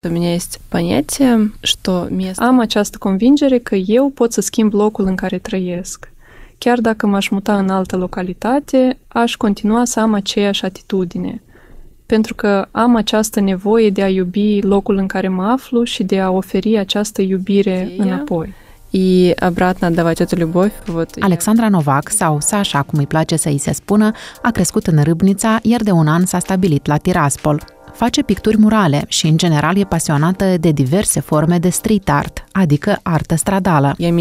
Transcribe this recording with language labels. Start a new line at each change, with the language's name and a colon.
Russian: У меня есть понятие, что место...
Romanian: Am această convingere că eu pot să schimb locul în care trăiesc. Chiar dacă m-aș muta în altă localitate, aș continua să am aceeași atitudine. Pentru că am această nevoie de a iubi locul în care mă aflu și de a oferi această iubire înapoi.
Russian: И обратно давать эту любовь. Вот.
Romanian: Alexandra Novak, sau Sasha, cum îi place să îi se spună, a crescut în Râbnița, iar de un an s-a stabilit la Tiraspol. Face picturi murale și, în general, e pasionată de diverse forme de street art, adică artă stradală.